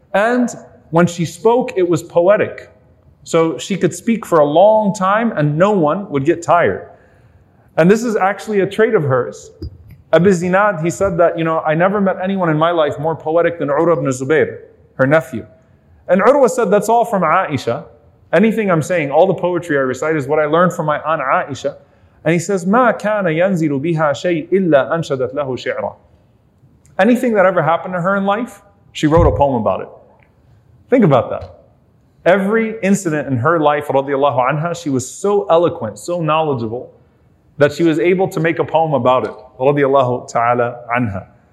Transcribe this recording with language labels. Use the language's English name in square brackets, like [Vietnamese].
[English] And when she spoke, it was poetic. So she could speak for a long time and no one would get tired. And this is actually a trait of hers. Abu Zinad, he said that, you know, I never met anyone in my life more poetic than Urwa ibn Zubayr, her nephew. And Urwa said, that's all from Aisha. Anything I'm saying, all the poetry I recite is what I learned from my aunt Aisha. And he says, [Arabic] ما كان ينزل بها شيء إلا أنشدت له شعرا. [English] Anything that ever happened to her in life, she wrote a poem about it. Think about that. Every incident in her life, radiallahu anha, she was so eloquent, so knowledgeable, that she was able to make a poem about it, radiallahu ta'ala anha.